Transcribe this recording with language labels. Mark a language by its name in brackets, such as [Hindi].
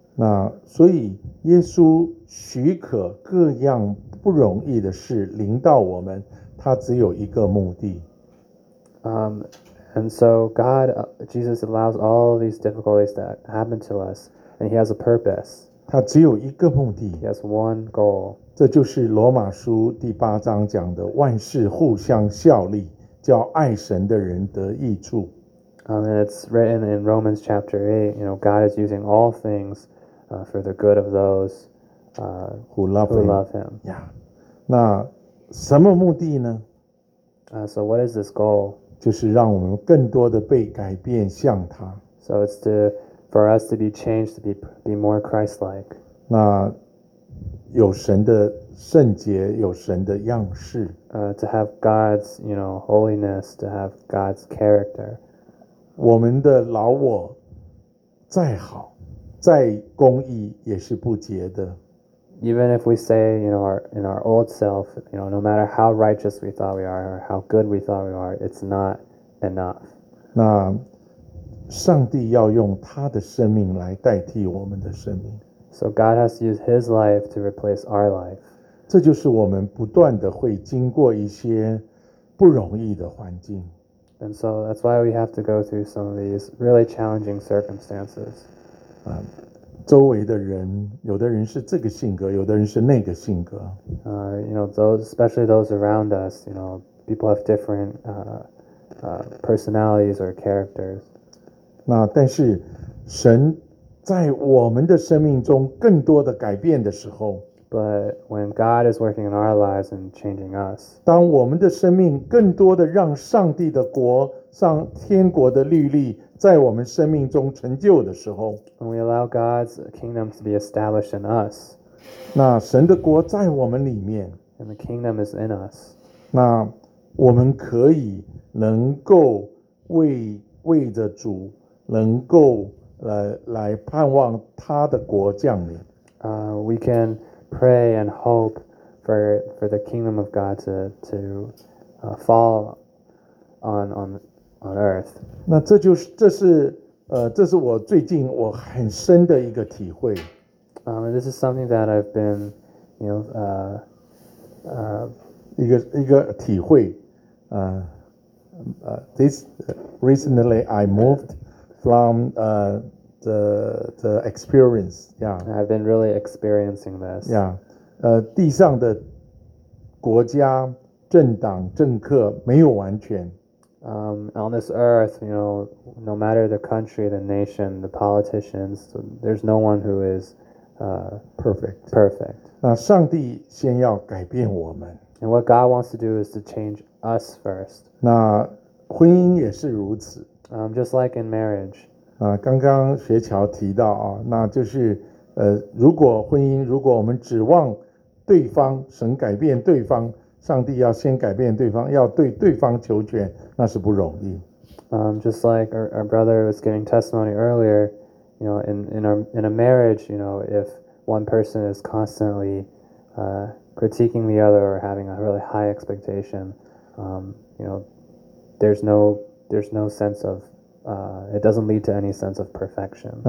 [Chinese] 那所以耶稣许可各样不容易的事临到我们他只有一个目的。 [English] And so God, Jesus allows all these difficulties that happen to us, and He has a purpose. [Chinese] 他只有一个目的。 [English] He has one goal. [Chinese] 这就是罗马书第八章讲的万事互相效力，叫爱神的人得益处。 [English] And it's written in Romans chapter 8, you know, God is using all things for the good of those who love him. Yeah. [Chinese] 那什么目的呢？ [English] So what is this goal? [Chinese] 就是让我们更多的被改变像他。 [English] So it's to, for us to be changed, to be more Christ-like. [Chinese] 那有神的圣洁，有神的样式。 [English] To have God's, you know, holiness, to have God's character. [Chinese] 我们的老我再好，再公义也是不洁的。 [English] Even if we say, you know, in our old self, you know, no matter how righteous we thought we are or how good we thought we are, it's not enough. [Chinese] 那上帝要用他的生命来代替我们的生命。 [English] So God has to use his life to replace our life. [Chinese] 这就是我们不断的会经过一些不容易的环境。 [English] And so that's why we have to go through some of these really challenging circumstances. [Chinese] 周围的人，有的人是这个性格，有的人是那个性格。 [English] You know, those, especially those around us, you know, people have different personalities or characters. [Chinese] 那但是神在我们的生命中更多的改变的时候， [English] But when God is working in our lives and changing us, [Chinese] 当我们的生命更多的让上帝的国，上天国的律例在我们生命中成就的时候， [English] When we allow God's kingdom to be established in us, [Chinese] 那神的国在我们里面。 [English] And the kingdom is in us. [Chinese] 那我们可以能够为着主，能够来盼望他的国降临。 [English] We can pray and hope for the kingdom of God to fall on earth. [Chinese] 那这是我最近我很深的一个体会。 [English] This is something that I've been, you know, [Chinese] 一个体会。 [English] This recently I moved from the experience. Yeah. I've been really experiencing this. Yeah. [Chinese] 地上的国家、政党、政客没有完全。 [English] On this earth, you know, no matter the country, the nation, the politicians, there's no one who is perfect. Perfect. [Chinese] 那上帝先要改变我们。 [English] And what God wants to do is to change us first. [Chinese] 那婚姻也是如此。 [English] Just like in marriage. [Chinese] 刚刚学乔提到啊，那就是如果婚姻，如果我们指望对方，神改变对方。上帝要先改变对方，要对对方求全，那是不容易。 [English] Just like our brother was giving testimony earlier, you know, in a marriage, you know, if one person is constantly critiquing the other or having a really high expectation, you know, there's no sense of it doesn't lead to any sense of perfection.